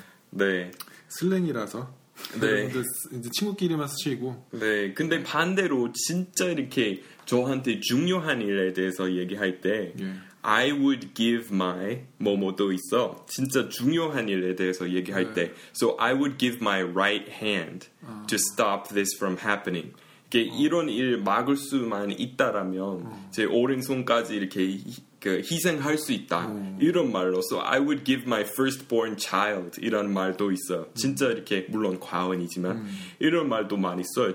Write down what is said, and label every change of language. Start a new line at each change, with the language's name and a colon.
Korean: 네, 슬랭이라서. 네. 이제 친구끼리만 쓰시고. 네. 근데 반대로 진짜 이렇게 저한테 중요한 일에 대해서 얘기할 때 예.
English: I would give my
Korean: 뭐뭐도 있어. 진짜 중요한 일에 대해서 얘기할 네. 때
English: So I would give my right hand
Korean: 아.
English: to stop this from happening.
Korean: 이렇게 이런 일 막을 수만 있다라면 제 오른손까지 이렇게 희생할 수 있다. 이런 말로
English: So I would give my firstborn child
Korean: 이런 말도 있어. 진짜 이렇게 물론 과언이지만 이런 말도 많이 써요.